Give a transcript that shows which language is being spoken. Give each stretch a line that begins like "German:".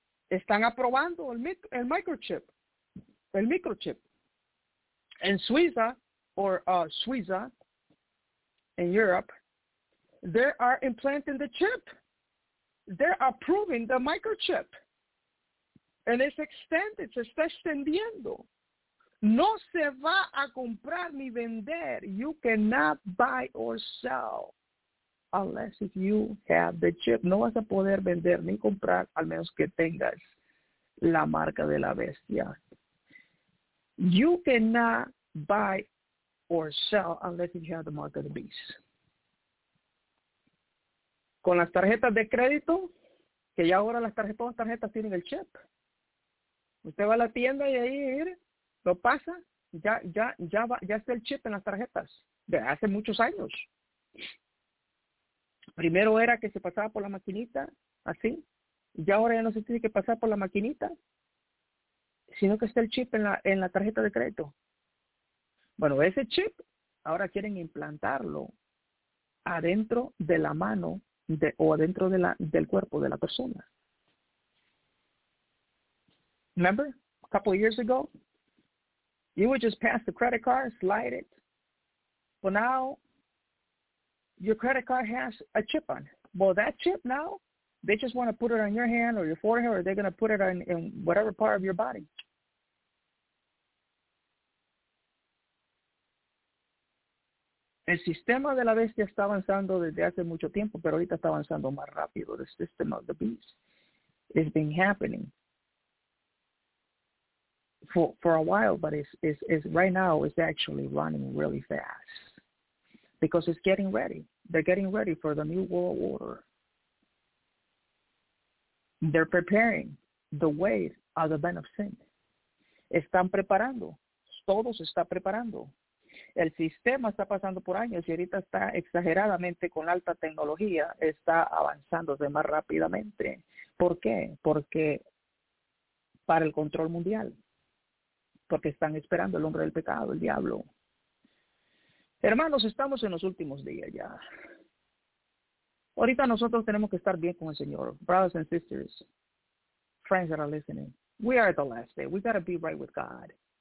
Spanish: están aprobando el microchip en Suiza,
English: or Suiza in Europe, they are implanting the chip, they're approving the microchip, and it's extendiendo.
Spanish: No se va a comprar ni vender.
English: You cannot buy or sell unless if you have the chip.
Spanish: No vas a poder vender ni comprar al menos que tengas la marca de la bestia.
English: You cannot buy or sell unless you have the mark of the beast.
Spanish: Con las tarjetas de crédito, que ya ahora todas las tarjetas tienen el chip. Usted va a la tienda y ahí ir. Lo pasa, ya está el chip en las tarjetas de hace muchos años. Primero era que se pasaba por la maquinita, así, y ahora ya no se tiene que pasar por la maquinita, sino que está el chip en la tarjeta de crédito. Bueno, ese chip ahora quieren implantarlo adentro de la mano adentro del cuerpo de la persona.
English: Remember, a couple of years ago, you would just pass the credit card, slide it. But now, your credit card has a chip on it. Well, that chip now, they just want to put it on your hand or your forehead, or they're going to put it in whatever part of your body.
Spanish: El sistema de la bestia está avanzando desde hace mucho tiempo, pero ahorita está avanzando más rápido.
English: The system of the beast has been happening for a while, but it's right now it's actually running really fast because it's getting ready. They're getting ready for the new world order. They're preparing the way of the man of sin.
Spanish: Están preparando. Todos está preparando. El sistema está pasando por años y ahorita está exageradamente con alta tecnología, está avanzándose más rápidamente. ¿Por qué? Porque para el control mundial. porque están esperando el hombre del pecado, el diablo. Hermanos, estamos en los últimos días ya. Ahorita nosotros tenemos que estar bien con el Señor.
English: Brothers and sisters, friends that are listening, we are at the last day. We got to be right with God.